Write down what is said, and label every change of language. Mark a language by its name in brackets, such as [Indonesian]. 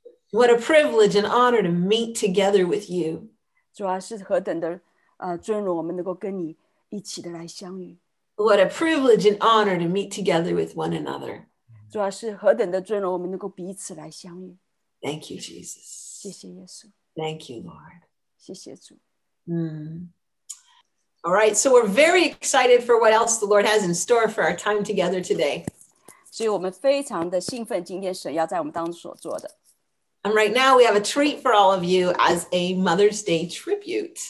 [English] What a privilege and honor to meet together with you. [Chinese] 主啊,是何等的, [English] what a privilege and honor to meet together with one another. [Chinese] 主啊,是何等的尊荣,我们能够彼此来相遇。 [English] Thank you, Jesus. [Chinese] 谢谢耶稣。 [English] Thank you, Lord. [Chinese] 谢谢主。 [English] All right, so we're very excited for what else the Lord has in store for our time together today. [Chinese] 所以我们非常的兴奋今天神要在我们当中所做的。 [English] And right now we have a treat for all of you as a Mother's Day tribute.